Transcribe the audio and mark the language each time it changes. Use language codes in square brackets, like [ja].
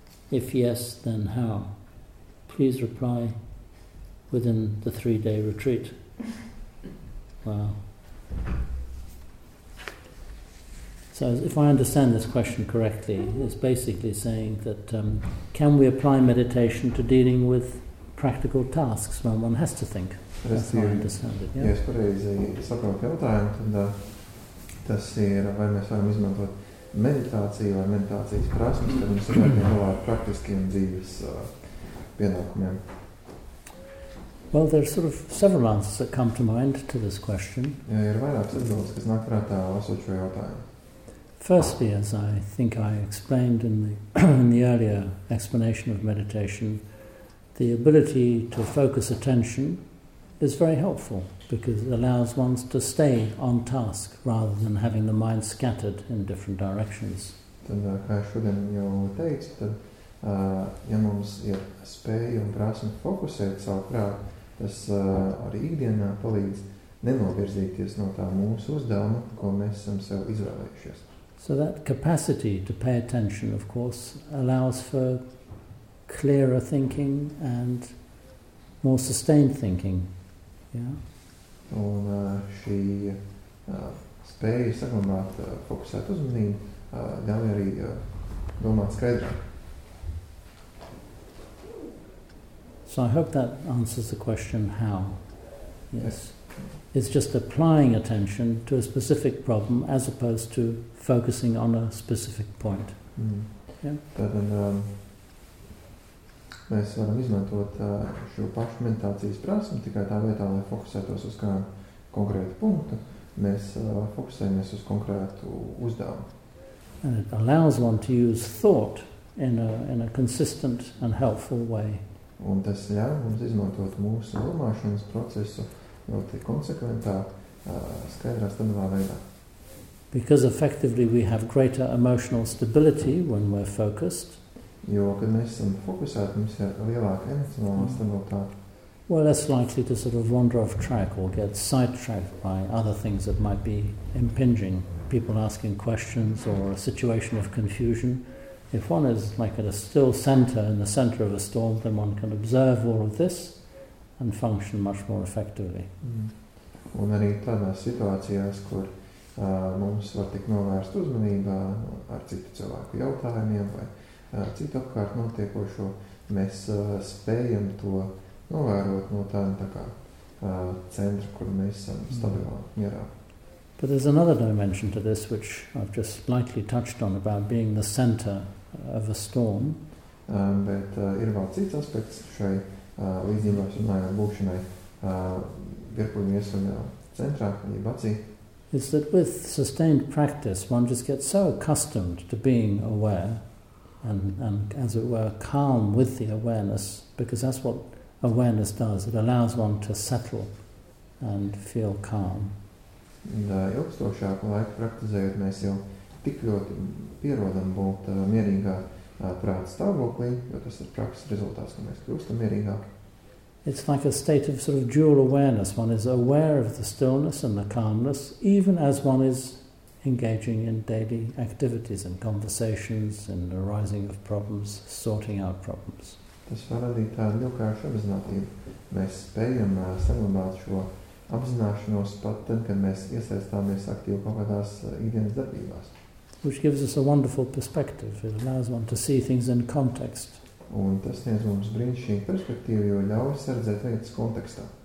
[en] If yes, then how? Please reply within the 3-day retreat. Wow. So if I understand this question correctly, it's basically saying that can we apply meditation to dealing with practical tasks when one has to think? That's how I understand it. [lv] Ja es pareizi saprotu jautājumu, tad tas ir, vai mēs varam izmantot meditāciju vai meditācijas prasmes, kad mums ir galā ar praktiskiem dzīves pienākumiem. [en] Well, there are sort of several answers that come to mind to this question. [lv] Ja ir vairākas atbildes, kas nāk prātā lasot šo jautājumu. [en] Firstly, as I think I explained in the in the earlier explanation of meditation, the ability to focus attention is very helpful because it allows one to stay on task rather than having the mind scattered in different directions. [lv] Tad, kā es šodien jau teicu, tad, ja mums ir spēja un prasme fokusēt savu prātu, tas arī ikdienā palīdz nenovirzīties no tā mūsu uzdevuma, ko mēs esam sev izvēlējušies. [en] So that capacity to pay attention, of course, allows for clearer thinking and more sustained thinking. Yeah. [lv] Un šī spēja saglabāt fokusēt uzmanību ļauj arī domāt skaidrāk. [en] So I hope that answers the question how. Yes. It's just applying attention to a specific problem as opposed to focusing on a specific point. [lv] Tad mēs varam izmantot šo pašu meditācijas prasmi tikai tā vietā, lai fokusētos uz kādu konkrētu punktu. Mēs fokusējamies uz konkrētu uzdevumu. [en] And it allows one to use thought in a consistent and helpful way. [lv] Un tas ļauj mums izmantot mūsu domāšanas procesu ļoti konsekventā, skaidrā stabilā veidā. [en] Because effectively we have greater emotional stability when we're focused. [lv] Jo, kad mēs esam fokusēti, mums ir lielāka emocionāla stabilitāte. [en] We're less likely to sort of wander off track or get sidetracked by other things that might be impinging. People asking questions or a situation of confusion. If one is like at a still center, in the center of a storm, then one can observe all of this and function much more effectively. [lv] Un arī tādās situācijās, kur mums var tikt novērst uzmanībā ar citu cilvēku jautājumiem vai citu apkārt notiekošo, mēs spējam to novērot no tādā tā kā centra, kur mēs esam stabilā mierā. [en] But there's another dimension to this, which I've just lightly touched on, about being the center of a storm. [lv] Bet ir vēl cits aspekts šai līdzībās runājot būšanai virpuļu iesaļā centrā, jeb acī. [en] is that with sustained practice, one just gets so accustomed to being aware and as it were, calm with the awareness, because that's what awareness does. It allows one to settle and feel calm. [lv] Un ilgstošāku laiku praktizējot, mēs jau tik ļoti pierodam būt mierīgā prāta stāvoklī, jo tas ir prakses rezultāts, ka mēs kļūstam mierīgāki. [en] It's like a state of sort of dual awareness. One is aware of the stillness and the calmness, even as one is engaging in daily activities and conversations and arising of problems, sorting out problems. [lv] Tas var arī tādu ilgkāršu apzinātību. Mēs spējam saglabāt šo apzināšanos pat tad, kad mēs iesaistāmies aktīvi kaut kādās ikdienas darbībās. [en] Which gives us a wonderful perspective. It allows one to see things in context. [lv] Un tas sniedz mums brīnišķīgu perspektīvu, jo ļauj sardzēt lietas kontekstā.